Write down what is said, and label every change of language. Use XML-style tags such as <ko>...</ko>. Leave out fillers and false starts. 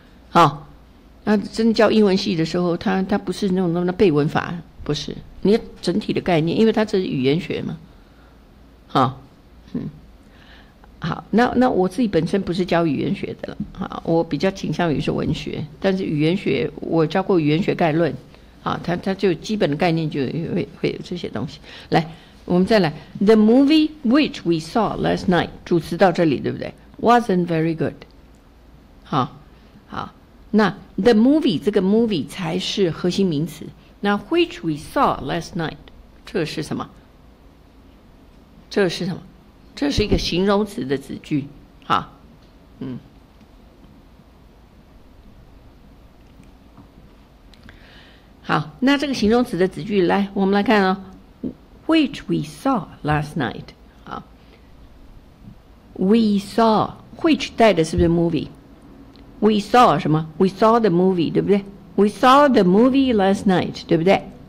<zh>好，那真的教英文系的时候，它不是那种那背文法，不是你整体的概念，因为它这是语言学嘛。好，好，那我自己本身不是教语言学的了，我比较倾向于是文学，但是语言学我教过语言学概论，它就基本的概念就会有这些东西。来，我们再来</zh> <en>，The movie which we saw last night，</en> <zh>主词到这里对不对</zh> <en>？Wasn't very good。</en> <zh>好，那 the movie 这个 movie 才是核心名词，那</zh> <en>which we saw last night</en> <zh>这是什么？这是什么？这是一个形容词的子句，好，那这个形容词的子句，来，我们来看哦</zh> <en>，which we saw last night， 好 ，we saw which</en> <zh>带的是不是</zh> <en>movie？we saw 什么 ？we saw the movie，</en> <zh>对不对</zh> <en>？we saw the movie last night， 对不对？</en>